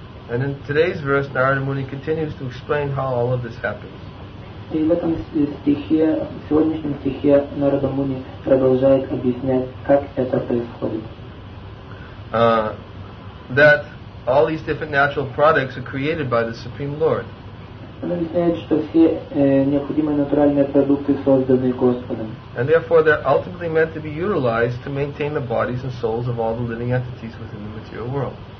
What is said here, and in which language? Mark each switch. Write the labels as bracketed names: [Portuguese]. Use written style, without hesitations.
[English] And in today's verse, Narada Muni continues to explain how all of this happens. [Russian] И в этом стихе, в сегодняшнем стихе, Нарада Муни продолжает объяснять, как это происходит. [English] That all these different natural products are created by the Supreme Lord. [Russian] Он объясняет, что все необходимые натуральные продукты созданы Господом. [English] And therefore they're ultimately meant to be utilized to maintain the bodies and souls of all the living entities within the material world.